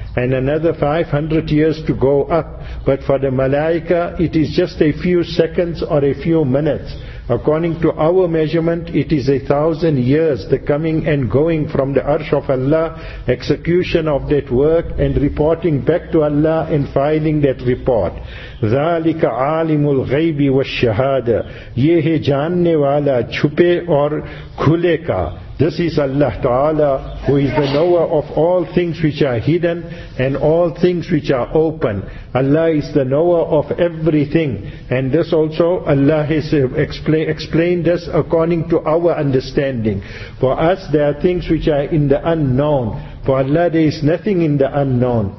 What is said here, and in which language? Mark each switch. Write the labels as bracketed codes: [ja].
[en] And another 500 years to go up. But for the malaika, it is just a few seconds or a few minutes. According to our measurement, it is 1,000 years, the coming and going from the arsh of Allah, execution of that work, and reporting back to Allah and filing that report. [ar] ذَلِكَ عَالِمُ الْغَيْبِ وَالشَّهَادَةِ. [ur] یہ ہے جاننے والا چھپے اور کھلے کا. [en] This is Allah Ta'ala, who is the knower of all things which are hidden and all things which are open. Allah is the knower of everything. And this also Allah has explained this according to our understanding. For us there are things which are in the unknown. For Allah there is nothing in the unknown.